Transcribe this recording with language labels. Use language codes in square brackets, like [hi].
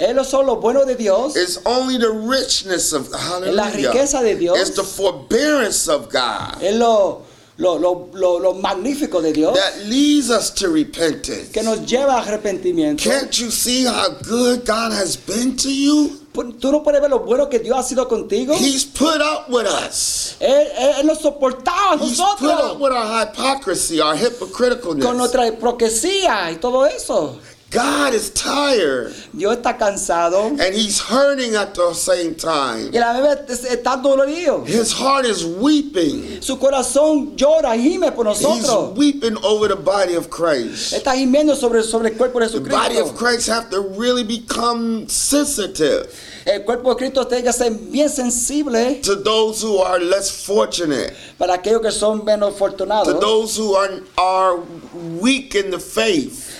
[es] Él es lo bueno de Dios. [en] It's only the richness of God. [es] La riqueza de Dios. [en] It's the forbearance of God. [es] Lo magnífico de Dios. [en] That leads us to repentance. [es] Que nos lleva a arrepentimiento. [en] Can't you see how good God has been to you? [es] ¿Tú no puedes ver lo bueno que Dios ha sido contigo? [en] He's put up with us. [es] Él nos soportaba a nosotros. [en] He's put up with our hypocrisy, our hypocriticalness. [es] Con nuestra hipocresía y todo eso. [en] God is tired. [es] Dios está cansado. [en] And he's hurting at the same time. [es] Y la bebé está dolorido. [en] His heart is weeping. [es] Su corazón llora, gime por nosotros. [en] He's weeping over the body of Christ. [es] Está gimiendo sobre el cuerpo de Jesucristo. [en] The body of Christ have to really become sensitive. [es] El cuerpo de Cristo tiene que ser bien sensible. [en] To those who are less fortunate. [es] Para aquellos que son menos afortunados. [en] To those who are weak in the faith.